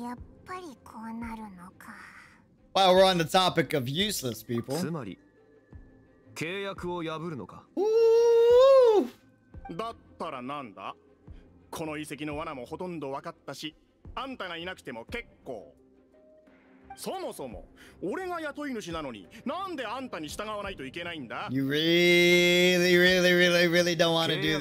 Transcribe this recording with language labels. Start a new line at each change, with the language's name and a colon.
Japanese: やっぱりこうなるのか。
English: Well, we're on the topic of useless people.
Japanese: つまり契約を破るのか。おお。だったらなんだ。この遺跡の罠もほとんど分かったし、あんたがいなくても結構。そもそも俺が雇い主なのに、なんであんたに従わないといけないんだ。
English: You really, really, really, really don't want to do that.